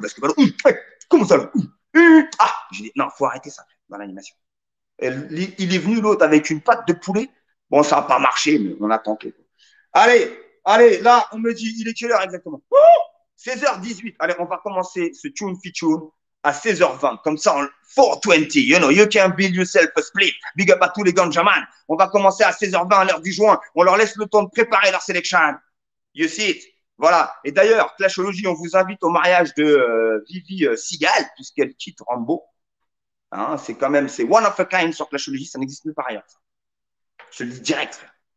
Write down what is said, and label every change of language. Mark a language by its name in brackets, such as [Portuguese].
[French] Parce que Balot, comment ça Ah, je lui ai dit, non, faut arrêter ça dans l'animation. Et il est venu l'autre avec une patte de poulet. Bon, ça n'a pas marché, mais on a tenté. Allez, là, on me dit, il est quelle heure exactement? 16h18. Allez, on va commencer ce tune feature à 16h20. Comme ça, [English] 420, you know, you can build yourself a split. [French] Big up à tous les ganjaman. On va commencer à 16h20, à l'heure du joint. On leur laisse le temps de préparer leur sélection. [English] You see it? [French] Voilà. Et d'ailleurs, Clashology, on vous invite au mariage de Vivi Seagal, puisqu'elle quitte Rambo. Hein, c'est quand même, c'est [English] one of a kind [French] sur Clashology, ça n'existe nulle part ailleurs. Je le dis direct, frère.